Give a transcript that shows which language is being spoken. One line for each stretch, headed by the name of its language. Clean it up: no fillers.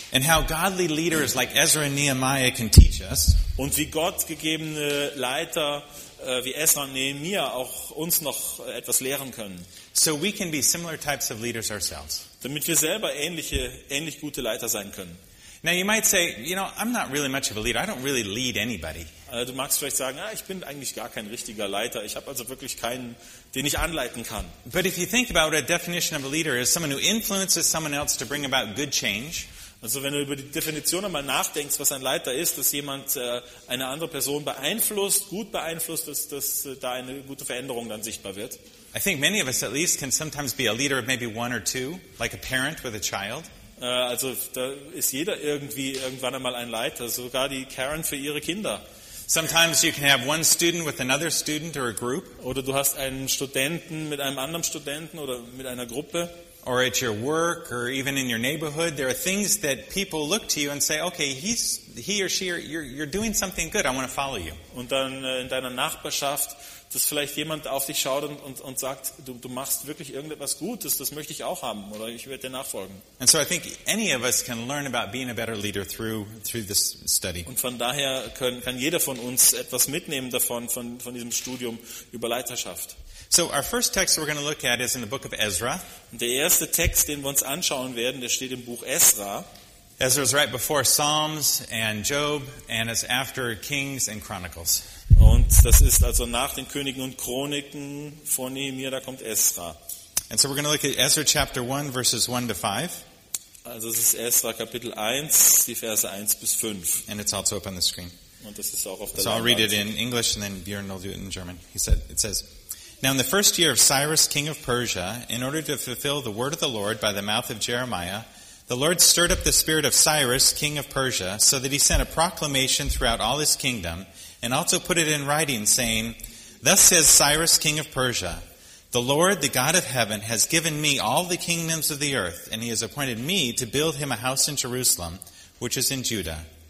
English: And how godly leaders like Ezra and Nehemiah can teach us.
German: Und wie gottgegebene Leiter wie Ezra und Nehemia auch uns noch etwas lehren können.
English: So we can be similar types of leaders ourselves.
German: Damit wir selber ähnlich gute Leiter sein können.
English: Now you might say, you know, I'm not really much of a leader. I don't really lead anybody.
German: Du magst vielleicht sagen, ich bin eigentlich gar kein richtiger Leiter. Ich habe also wirklich keinen, den ich anleiten kann.
English: But if you think about what a definition of a leader is, someone who influences someone else to bring about good change.
German: Also wenn du über die Definition einmal nachdenkst, was ein Leiter ist, dass jemand eine andere Person beeinflusst, gut beeinflusst, dass da eine gute Veränderung dann sichtbar wird.
English: I think many of us at least can sometimes be a leader of maybe one or two, like a parent with a child.
German: Also da ist jeder irgendwann einmal ein Leiter, sogar die Karen für ihre Kinder.
English: Sometimes you can have one student with another student or a group.
German: Oder du hast einen Studenten mit einem anderen Studenten oder mit einer Gruppe.
English: Or at your work, or even in your neighborhood, there are things that people look to you and say, "Okay, you're doing something good. I want to follow you."
German: Und dann in deiner Nachbarschaft, dass vielleicht jemand auf dich schaut und sagt, du machst wirklich irgendetwas Gutes. Das möchte ich auch haben, oder ich werde dir nachfolgen.
English: And so I think any of us can learn about being a better leader through this study.
German: Und von daher kann jeder von uns etwas mitnehmen davon von diesem Studium über Leiterschaft.
English: So our first text we're going to look at is in the book of Ezra.
German: Der erste Text, den wir uns anschauen werden, der steht im Buch Ezra.
English: Ezra is right before Psalms and Job, and it's after Kings and Chronicles.
German: Und das ist also nach den Königen und Chroniken vor Nehemia, da kommt Ezra.
English: And so we're going to look at Ezra chapter 1, verses 1 to 5.
German: Also es ist Ezra Kapitel 1, die Verse 1 bis 5.
English: And it's also up on the screen.
German: Und das ist auch auf
English: der I'll read it in English and then Björn will do it in German. It says, "Now in the first year of Cyrus, king of Persia, in order to fulfill the word of the Lord by the mouth of Jeremiah, the Lord stirred up the spirit of Cyrus, king of Persia, so that he sent a proclamation throughout all his kingdom, and also put it in writing, saying, 'Thus says Cyrus, king of Persia, the Lord, the God of heaven, has given me all the kingdoms of the earth, and he has appointed me to build him a house in Jerusalem, which is in Judah.